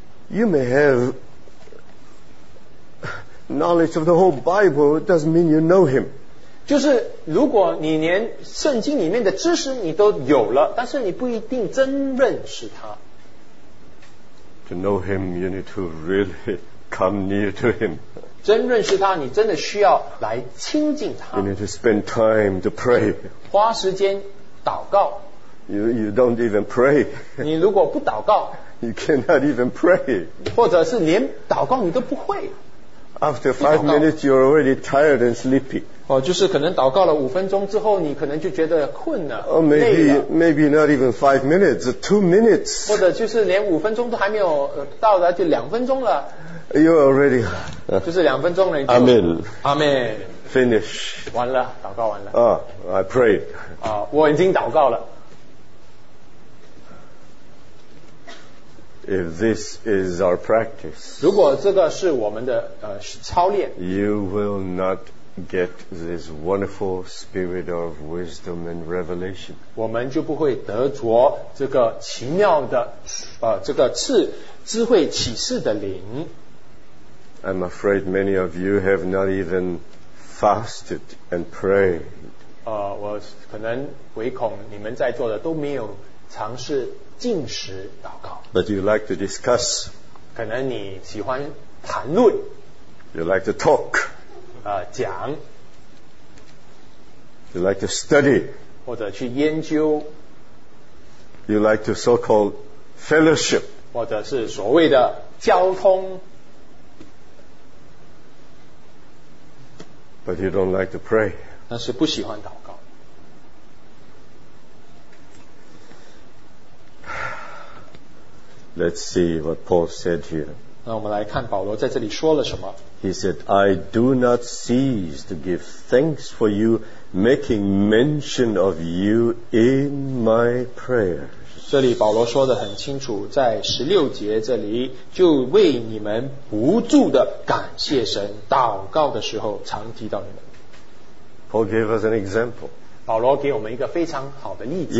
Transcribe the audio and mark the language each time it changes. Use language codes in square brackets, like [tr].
[en] You may have knowledge of the whole Bible, doesn't mean you know him. [zh] 就是如果你连圣经里面的知识你都有了，但是你不一定真认识他。 [en] To know him, you need to really come near to him. [zh] 真认识他，你真的需要来亲近他。 [en] You need to spend time to pray. [zh] 花时间祷告。 [en] You don't even pray. [zh] 你如果不祷告， [en] you cannot even pray. [zh] 或者是连祷告你都不会。 [en] After 5 minutes, you're already tired and sleepy. [zh] 哦，就是可能祷告了五分钟之后，你可能就觉得困了。 [en] Oh, maybe not even 5 minutes, 2 minutes. [zh] 或者就是连五分钟都还没有到的，就两分钟了。 [en] You're already. [zh] 就是两分钟了。 [en] Amen. Amen. Finish. [zh] 完了，祷告完了。 [en] I pray. [zh] 啊，我已经祷告了。 [en] If this is our practice, [zh] 如果这个是我们的操练 [en] ，You will not get this wonderful spirit of wisdom and revelation. [zh] 我们就不会得着这个奇妙的这个赐智慧启示的灵。 [en] I'm afraid many of you have not even fasted and prayed. [zh] 我可能唯恐你们在座的都没有尝试禁食祷告。 [en] But you like to discuss. [zh] 可能你喜欢谈论。 [en] You like to talk. [zh] 讲。 [en] You like to study. [zh] 或者去研究。 [en] You like to so-called fellowship. [zh] 或者是所谓的交通。 [en] But you don't like to pray. [zh] 但是不喜欢祷告。 [en] Let's see what Paul said here. [zh] 那我们来看保罗在这里说了什么。 [en] He said, I do not cease to give thanks for you, making mention of you in my prayers. [zh] 这里保罗说得很清楚，在十六节这里，就为你们不住的感谢神，祷告的时候常提到你们。 [en] Paul gave us an example. [zh] 保罗给我们一个非常好的例子。